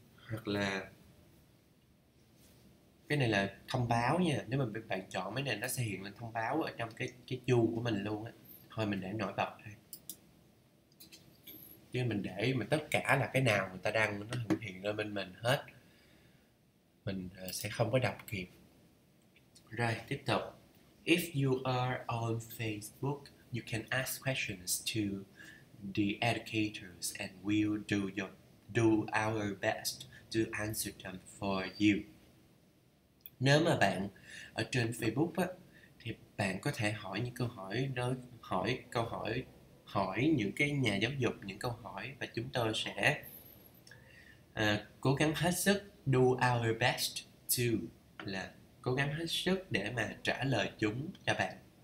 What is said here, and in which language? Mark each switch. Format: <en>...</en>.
<vi>Hoặc là cái này là thông báo nha. Nếu mà bạn chọn mấy này nó sẽ hiện lên thông báo ở trong cái chuông của mình luôn á. Thôi mình để nổi bật thôi. Chứ mình để mà tất cả là cái nào người ta đăng nó cũng hiện lên bên mình hết. Mình sẽ không có đọc kịp. Rồi, tiếp tục.</vi> <en>If you are on Facebook, you can ask questions to the educators and we'll do our best to answer them for you.</en> <vi>Nếu mà bạn ở trên Facebook á, thì bạn có thể hỏi những câu hỏi đó, hỏi câu hỏi hỏi những cái nhà giáo dục những câu hỏi và chúng tôi sẽ cố gắng hết sức</vi> <en>do our best to</en> <vi>là cố gắng hết sức để mà trả lời chúng cho bạn.</vi>